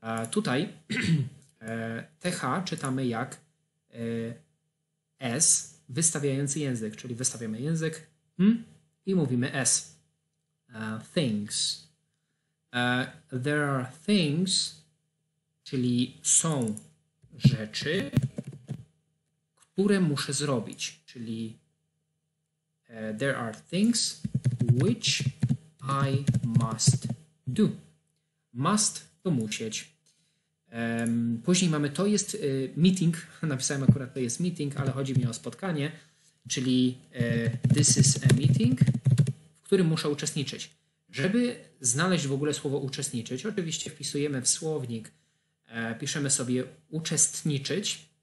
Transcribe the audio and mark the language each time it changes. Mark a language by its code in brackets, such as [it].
[pl] Tutaj th czytamy jak s wystawiający język, czyli wystawiamy język i mówimy S. Things. [en] There are things, [pl] czyli są rzeczy, które muszę zrobić. Czyli [en] there are things which I must do. [pl] Must to musieć. Później mamy to jest meeting. Napisałem akurat to jest meeting, ale chodzi mi o spotkanie. Czyli [en] this is a meeting, [pl] w którym muszę uczestniczyć. Żeby znaleźć w ogóle słowo uczestniczyć, oczywiście wpisujemy w słownik, piszemy sobie uczestniczyć.